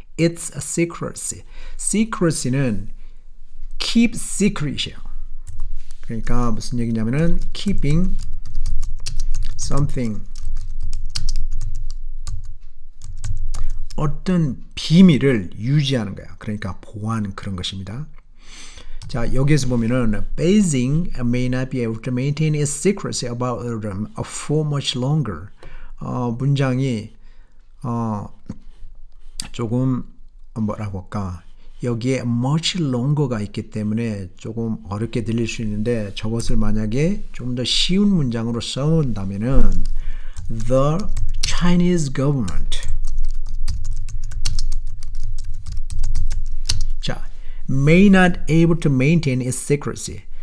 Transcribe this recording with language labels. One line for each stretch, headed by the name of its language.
English: Its secrecy. Secrecy는 keep secret이에요.
Korean: 그러니까 무슨 얘기냐면은 keeping something. 어떤 비밀을 유지하는 거야. 그러니까 보안 그런 것입니다. 자, 여기에서 보면은
English: Beijing may not be able to maintain its secrecy about them for much longer.
Korean: 문장이 조금 뭐라고 할까? 여기에 much longer가 있기 때문에 조금 어렵게 들릴 수 있는데 저것을 만약에 좀더 쉬운 문장으로 써온다면은
English: the Chinese government may not able to maintain its secrecy.